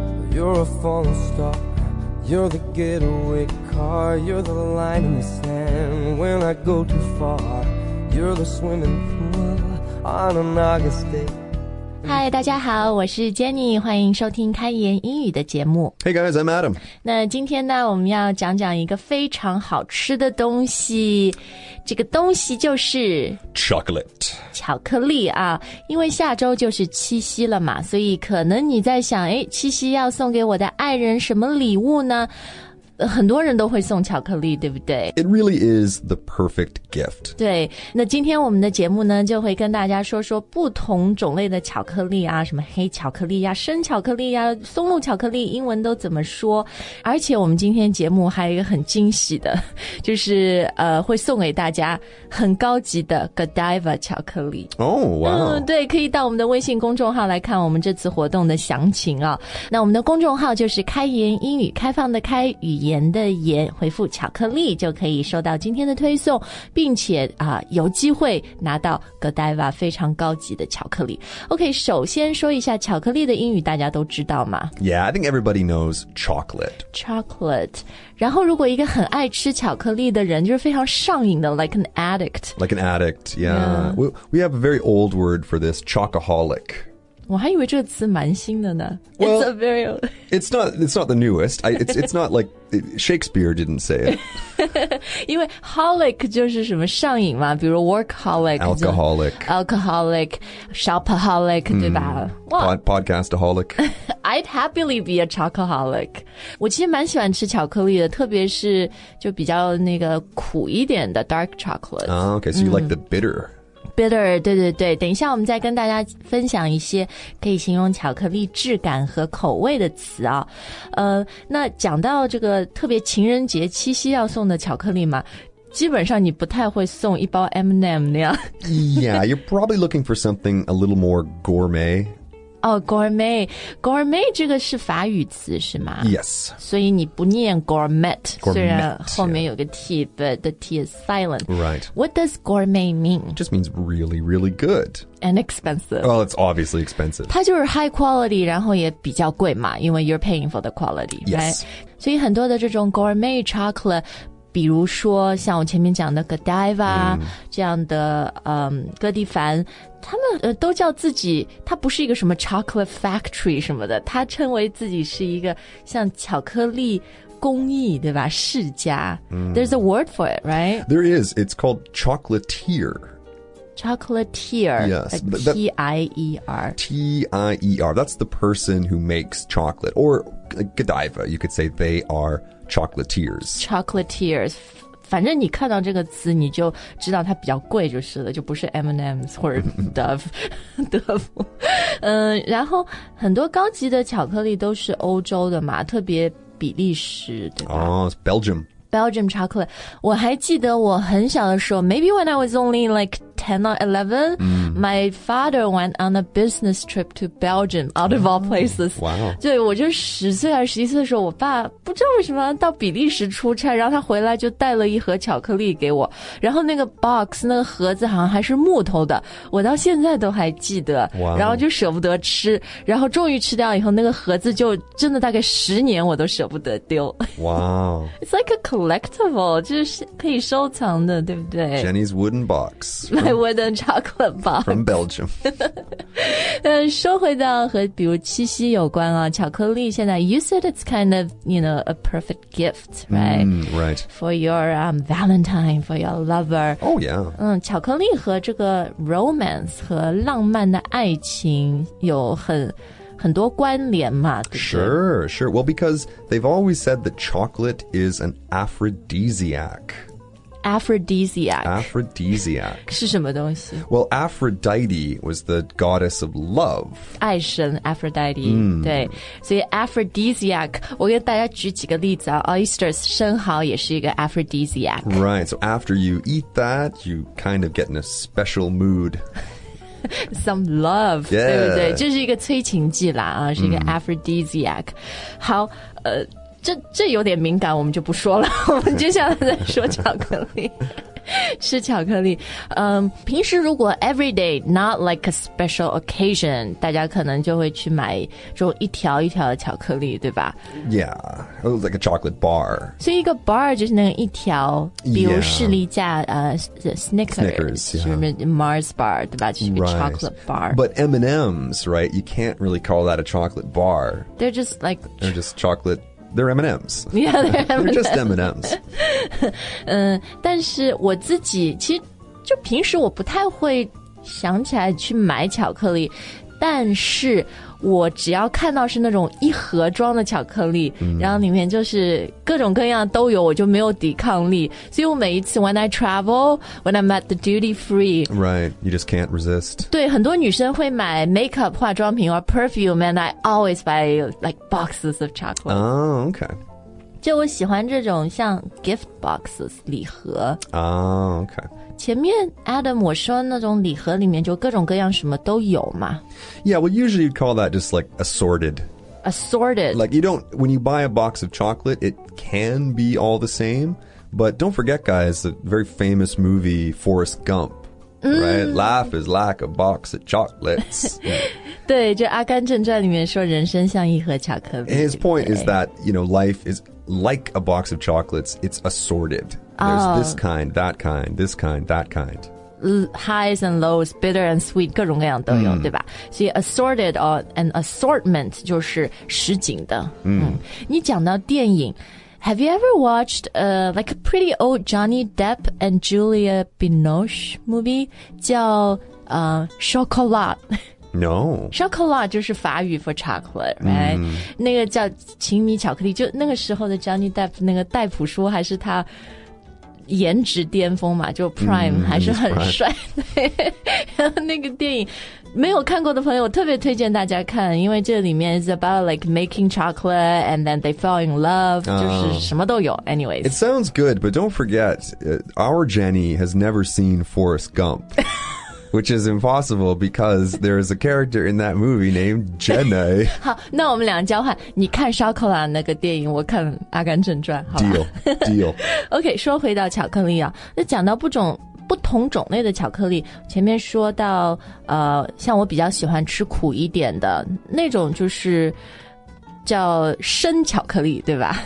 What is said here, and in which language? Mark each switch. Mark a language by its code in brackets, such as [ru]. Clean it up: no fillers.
[en] You're a falling star, you're the getaway car, you're the line in the sand when I go too far, you're the swimming pool on an August day. [zh] Hi, 大家好，我是 Jenny， 欢迎收听开言英语的节目。 [en] Hey guys, I'm Adam. [zh] 那今天呢，我们要讲讲一个非常好吃的东西，这个东西就是 [en] Chocolate. [zh] 巧克力啊，因为下周就是七夕了嘛，所以可能你在想，哎，七夕要送给我的爱人什么礼物呢？很多人都会送巧克力，对不对？ [en] It really is the perfect gift. [zh] 对，那今天我们的节目呢，就会跟大家说说不同种类的巧克力啊，什么黑巧克力啊，生巧克力啊，松露巧克力，英文都怎么说。而且我们今天节目还有一个很惊喜的，就是会送给大家很高级的 Godiva 巧克力。 [en] Oh, wow. [zh] 对，可以到我们的微信公众号来看我们这次活动的详情啊。那我们的公众号就是开言英语，开放的开，语盐的盐，回复巧克力就可以收到今天的推送，并且有机会拿到 Godiva 非常高级的巧克力。 OK， 首先说一下巧克力的英语，大家都知道吗？ [en] Yeah, I think everybody knows chocolate. Chocolate. [zh] 然后如果一个很爱吃巧克力的人，就是非常上瘾的， [en] like an addict. Like an addict, yeah. We have a very old word for this, chocoholic. [zh] 我还以为这个词蛮新的呢。 [en] Well, it's not the newest. It's not like Shakespeare didn't say it. [zh] 因为 holic 就是什么上瘾嘛，比如 workaholic, [en] alcoholic, shopaholic,、对吧？哇、podcastaholic. I'd happily be a chocoholic. [zh] 我其实蛮喜欢吃巧克力的，特别是就比较那个苦一点的 dark chocolate. [en] Oh, okay, so you like the bitter. [zh] Bitter, 对对对，等一下我们再跟大家分享一些可以形容巧克力质感和口味的词啊。那讲到这个特别情人节七夕要送的巧克力嘛，基本上你不太会送一包 M&M 那样。 [en] Yeah, you're probably looking for something a little more gourmet. Oh, gourmet. [zh] Gourmet 这个是法语词是吗？ [en] Yes. [zh] 所以你不念 gourmet, [en] gourmet [zh] 虽然后面、 [en] yeah. [zh] 有个 [en] T, but the T is silent. Right. What does gourmet mean? It just means really, really good. And expensive. Well, it's obviously expensive. [zh] 它就是 high quality, 然后也比较贵嘛，因为 [en] you're paying for the quality, yes. right? [zh] 所以很多的这种 gourmet chocolate,比如说像我前面讲的 Godiva、这样的哥迪凡，他们都叫自己，它不是一个什么 chocolate factory 什么的，它称为自己是一个像巧克力工艺，对吧？世家、 [en] There's a word for it, right? There is. It's called chocolatier. Chocolatier. Yes. T-I-E-R. T-I-E-R. That's the person who makes chocolate. Or Godiva. You could say they are... Chocolatiers. Chocolatiers. [zh] 反正你看到这个词你就知道它比较贵就是了，就不是 M&M's 或者 Dove. 然后很多高级的巧克力都是欧洲的嘛，特别比利时，对吧？ [en] Belgium. Belgium chocolate. [zh] 我还记得我很小的时候， [en] maybe when I was only like 10 or 11,、my father went on a business trip to Belgium, out of all places. Wow. [zh] 对，我就十岁还十一岁的时候，我爸不知道为什么到比利时出差，然后他回来就带了一盒巧克力给我，然后那个 box, 那个盒子好像还是木头的，我到现在都还记得。 [en] Wow. [zh] 然后就舍不得吃，然后终于吃掉以后，那个盒子就真的大概十年我都舍不得丢。 [en] Wow. It's like a collectible, [zh] 就是可以收藏的，对不对？ [en] Jenny's wooden box. My wooden chocolate box. From Belgium. [zh] 说回到和比如七夕有关啊，巧克力现在 [en] you said it's kind of, you know, a perfect gift, right? Right. For your Valentine, for your lover. Oh, yeah. [zh] 巧克力和这个 romance 和浪漫的爱情有很多关联嘛，对不对？ [en] Sure, sure. Well, because they've always said that chocolate is an aphrodisiac. [zh] Aphrodisiac. 是什么东西？ [en] Well, Aphrodite was the goddess of love. [zh] 爱神 Aphrodite,、对。所以 Aphrodisiac, 我给大家举几个例子啊。 Oysters, 生蚝也是一个 Aphrodisiac. [en] Right, so after you eat that, you kind of get in a special mood. Some love,、 yeah. [zh] 对不对？就是一个催情剂啦、是一个 Aphrodisiac.、好，这有点敏感，我们就不说了。我们接下来再说巧克力。吃巧克力。平时如果 [en] everyday, not like a special occasion, [zh] 大家可能就会去买这种一条一条的巧克力，对吧？ [en] Yeah, it was like a chocolate bar. [zh] 所以一个 bar 就是那个一条，比如士力架、Snickers、 [en] yeah. Mars bar, 对吧？ [zh] 就是一个 chocolate bar. [en] But M&Ms, right? You can't really call that a chocolate bar. They're just like... They're just chocolate... They're M&Ms. Yeah, they're M&Ms. They're just M&Ms. [zh] 但是我自己其实就平时我不太会想起来去买巧克力，但是我只要看到是那种一盒装的巧克力、mm. 然后里面就是各种各样都有，我就没有抵抗力。所以我每一次 [en] when I travel, when I'm at the duty free. Right, you just can't resist. [zh] 对，很多女生会买 [en] makeup [zh] 化妆品 [en] or perfume, and I always buy like boxes of chocolate. Oh, okay. [zh] 就我喜欢这种像 gift boxes, 礼盒。 [en] Oh, okay. [zh] 前面 Adam 我说那种礼盒里面就各种各样什么都有嘛 [en] Yeah, well usually you'd call that just like assorted Assorted Like you don't, when you buy a box of chocolate It can be all the same But don't forget guys, the very famous movie Forrest Gump、mm. Right, life is like a box of chocolates [zh] 对就阿甘正传里面说人生像一盒巧克力 [en] His point is that, you know, life is like a box of chocolates It's assortedThere's this kind, that kind, this kind, that kind. Highs and lows, bitter and sweet, [zh] 各种各样都有、 [en] mm. [zh] 对吧所以 [en] assorted or an assortment [zh] 就是实景的、 [en] mm. 嗯、 [zh] 你讲到电影 [en] Have you ever watched、like a pretty old Johnny Depp and Julia Binoche movie 叫、Chocolat No [zh] Chocolat 就是法语 [en] for chocolate、right? mm. [zh] 那个叫情迷巧克力就那个时候的 Johnny Depp 那个戴普叔还是他颜值巅峰嘛就 Prime、mm, 还是很帅那个电影没有看过的朋友我特别推荐大家看因为这里面 [en] is about like making chocolate and then they fall in love、 [zh] 就是什么都有 anyways [en] It sounds good but don't forget our Jenny has never seen Forrest Gump which is impossible because there is a character in that movie named Jenny [zh] 好那我们两个交换你看烧烤兰那个电影我看阿甘正传好 [en] Deal Deal [zh] OK 说回到巧克力啊那讲到不同种类的巧克力前面说到像我比较喜欢吃苦一点的那种就是叫深巧克力对吧